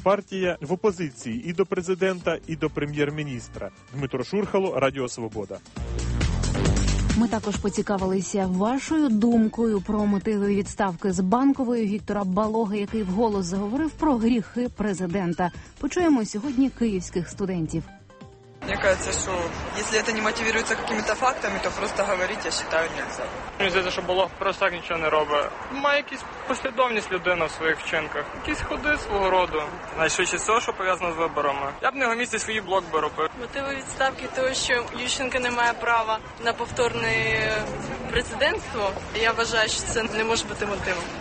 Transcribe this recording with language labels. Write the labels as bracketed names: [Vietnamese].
[Ukrainian] Партія в опозиції і до президента, і до прем'єр-міністра. Дмитро Шурхало, Радіо Свобода. Ми також поцікавилися вашою думкою про мотиви відставки з Банкової Віктора Балоги, який вголос заговорив про гріхи президента. Почуємо сьогодні київських студентів. [Russian] Мне кажется, что если это не мотивируется какими-то фактами, то просто говорить, я считаю, нельзя. Мне кажется, что Балог просто так ничего не робит. [Ukrainian] Має якісь послідовність людина в своїх вчинках. Якісь ходи свого роду. Найшвидше все, що пов'язано з виборами. Я б на його місці свій блок би робив. Мотиви відставки того, що Ющенко не має права на повторне президентство, я вважаю, що це не може бути мотивом.